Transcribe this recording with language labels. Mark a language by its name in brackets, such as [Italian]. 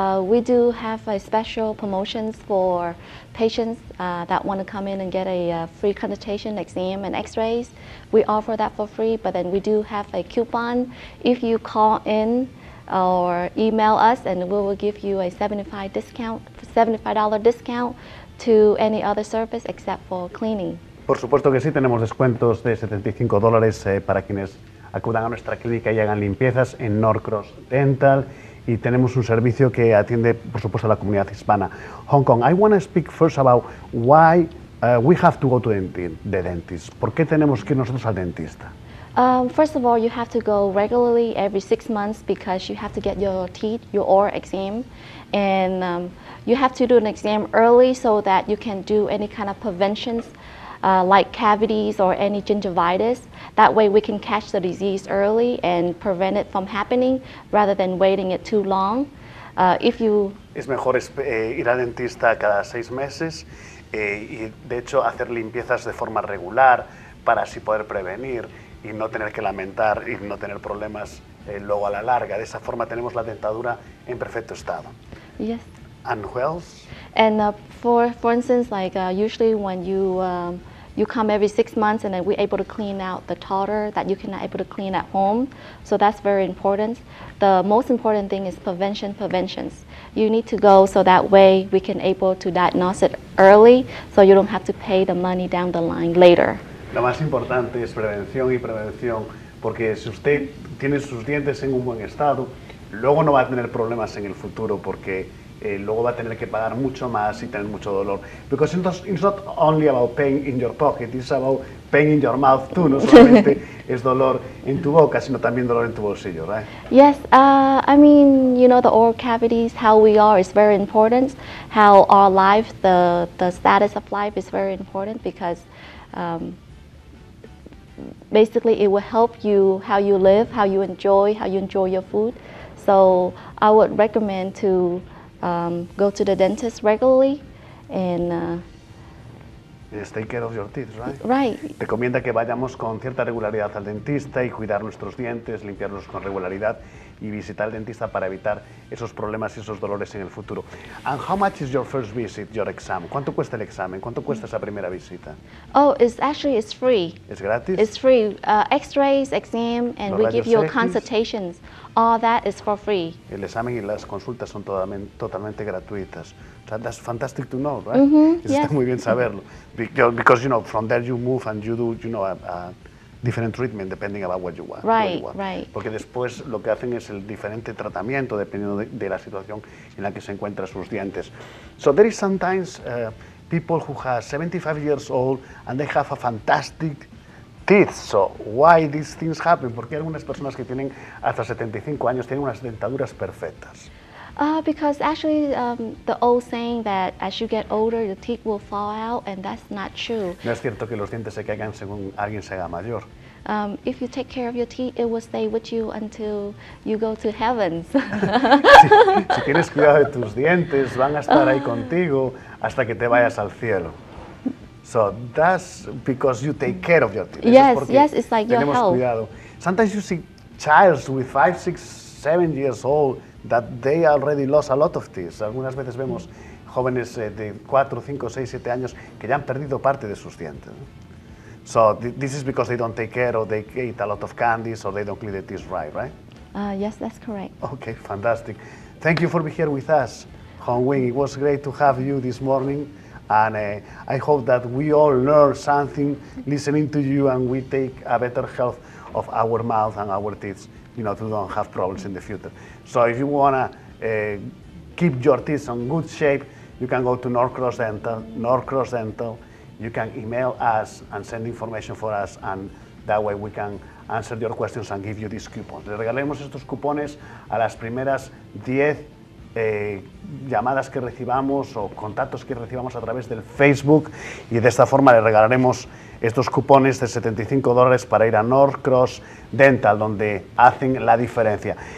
[English] We do have special promotions for patients that want to come in and get a free consultation, exam, and x-rays. We offer that for free, but then we do have a coupon. If you call in or email us, and we will give you a $75 discount to any other service except for cleaning. [Spanish] Por supuesto que sí, tenemos descuentos de $75 para quienes acudan a nuestra clínica y hagan limpiezas en Norcross Dental. Y tenemos un servicio que atiende, por supuesto, a la comunidad hispana. [English] Hong Kong, I want to speak first about why we have to go to the dentist. [Spanish] ¿Por qué tenemos que ir nosotros al dentista? [English] First of all, you have to go regularly every 6 months because you have to get your teeth, your oral exam. And you have to do an exam early so that you can do any kind of prevention. Like cavities or any gingivitis. That way we can catch the disease early and prevent it from happening rather than waiting it too long. [Spanish] Es mejor ir al dentista cada 6 meses y de hecho hacer limpiezas de forma regular para así poder prevenir y no tener que lamentar y no tener problemas luego a la larga. De esa forma tenemos la dentadura en perfecto estado. [English] Yes. And who else? And for instance, like usually when you come every 6 months and then we're able to clean out the tartar that you cannot able to clean at home. So that's very important. The most important thing is prevention. You need to go so that way we can able to diagnose it early so you don't have to pay the money down the line later. [Spanish] Lo más importante es prevención y prevención, porque si usted tiene sus dientes en un buen estado, luego no va a tener problemas en el futuro porque luego va a tener que pagar mucho más y tener mucho dolor. [English] Because it's not only about pain in your pocket, it's about pain in your mouth too. [Spanish] No solamente es dolor en tu boca, sino también dolor en tu bolsillo, right? [English] Yes, I mean, you know, the oral cavities, how we are is very important. How our life, the status of life is very important because basically it will help you how you live, how you enjoy your food. So I would recommend to go to the dentist regularly and yes, take care of your teeth, right? Right. [Spanish] Recomienda que vayamos con cierta regularidad al dentista y cuidar nuestros dientes, limpiarlos con regularidad y visitar al dentista para evitar esos problemas y esos dolores en el futuro. [English] And how much is your first visit, your exam? [Spanish] ¿Cuánto cuesta el examen? ¿Cuánto cuesta esa primera visita? [English] Oh, it's free. [Spanish] ¿Es gratis? [English] It's free. X-rays, exam, and we give you consultations. All that is for free. [Spanish] El examen y las consultas son totalmente gratuitas. [English] That's fantastic to know, right? Mm-hmm, yes. [Spanish] Está muy bien saberlo. [English] Because, you know, from there you move and you do, you know, a different treatment depending about what you want. Right. [Spanish] Porque después lo que hacen es el diferente tratamiento dependiendo de la situación en la que se encuentran sus dientes. [English] So there is sometimes people who have 75 years old and they have a fantastic teeth. So why these things happen? [Spanish] ¿Por qué algunas personas que tienen hasta 75 años tienen unas dentaduras perfectas? [English] Because actually the old saying that as you get older your teeth will fall out, and that's not true. [Spanish] No es cierto que los dientes se caigan según alguien se haga mayor. [English] If you take care of your teeth, it will stay with you until you go to heaven. [Spanish] Si tienes cuidado de tus dientes, van a estar ahí contigo hasta que te vayas al cielo. [English] So that's because you take care of your teeth. Yes, it's like your health. Cuidado. Sometimes you see children with 5, 6, 7 years old that they already lost a lot of teeth. [Spanish] Algunas veces vemos jóvenes de 4, 5, 6, 7 años que ya han perdido parte de sus dientes. [English] So this is because they don't take care, or they eat a lot of candies, or they don't clean the teeth right? Yes, that's correct. Okay, fantastic. Thank you for being here with us, Hong Wing. It was great to have you this morning, and I hope that we all learn something listening to you, and we take a better health of our mouth and our teeth, you know, to don't have problems in the future. So if you wanna keep your teeth in good shape, you can go to Norcross Dental, Norcross Dental. You can email us and send information for us, and that way we can answer your questions and give you these coupons. [Spanish] Le regalemos estos cupones a las primeras 10 llamadas que recibamos o contactos que recibamos a través del Facebook, y de esta forma le regalaremos estos cupones de $75 para ir a Norcross Dental, donde hacen la diferencia.